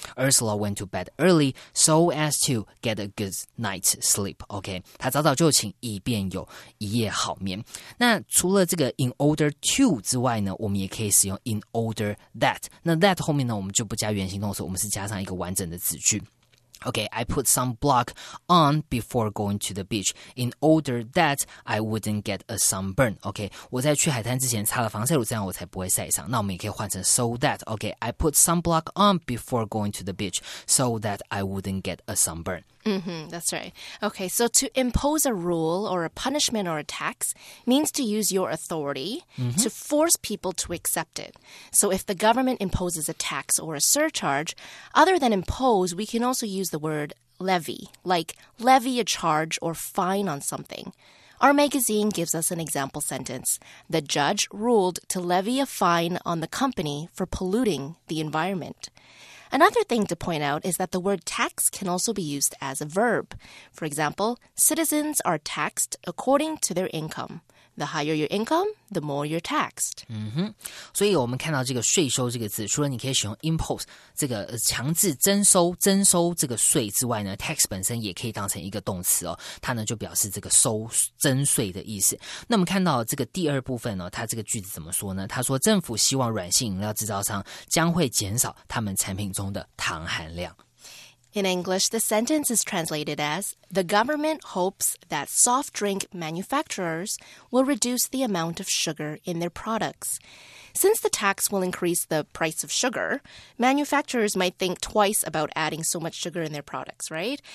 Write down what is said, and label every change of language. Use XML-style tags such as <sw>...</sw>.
<en>Ursula went to bed early so as to get a good night's sleep.</en> <zh>OK， 她早早就寝以便有一夜好眠。那除了这个</zh> <en>in order to</en> <zh>之外呢，我们也可以使用</zh> <en>in order that。</en> <zh>那 that 后面呢，我们就不加原形动词，我们是加上一个完整的子句。</zh> <en>OK, I put some block on before going to the beach in order that I wouldn't get a sunburn.</en> <zh>OK, 我在去海滩之前擦了防晒乳，这样我才不会晒伤。那我们也可以换成</zh> <en>so that. OK, I put some block on before going to the beach so that I wouldn't get a sunburn. Mm-hmm, that's right. OK, so to impose a rule or a punishment or a tax means to use your authority、mm-hmm. to force people to accept it. So if the government imposes a tax or a surcharge, other than impose, we can also use the word levy, like levy a charge or fine on something. Our magazine gives us an example sentence. The judge ruled to levy a fine on the company for polluting the environment. Another thing to point out is that the word tax can also be used as a verb. For example, citizens are taxed according to their income. The higher your income, the more you're taxed.</en> <zh>嗯哼，所以我们看到这个税收这个字，除了你可以使用 impose 这个强制征收这个税之外呢， tax 本身也可以当成一个动词哦，它呢就表示这个收征税的意思。那我们看到这个第二部分呢、哦，它这个句子怎么说呢？它说政府希望软性饮料制造商将会减少他们产品中的糖含量。</zh> <en>In English, the sentence is translated as, The government hopes that soft drink manufacturers will reduce the amount of sugar in their products. Since the tax will increase the price of sugar, manufacturers might think twice about adding so much sugar in their products, right?</en>